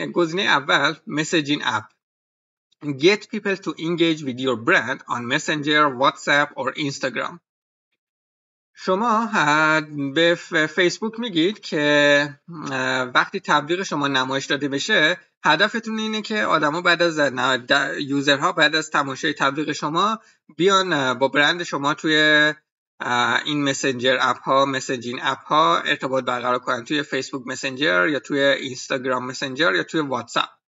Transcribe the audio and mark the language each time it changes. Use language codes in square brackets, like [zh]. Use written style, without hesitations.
[fa] گزینه اول messaging app. [en] Get people to engage with your brand on messenger, whatsapp or instagram. [fa] شما به فیسبوک میگید که وقتی تبلیغ شما نمایش داده بشه، هدفتون اینه که آدم ها بعد از یوزر ها بعد از تماشای تبلیغ شما بیان با برند شما توی این مسنجر اپ ها، مسنجین اپ ها ارتباط برقرار کنن، توی فیسبوک مسنجر یا توی اینستاگرام مسنجر یا توی واتساپ.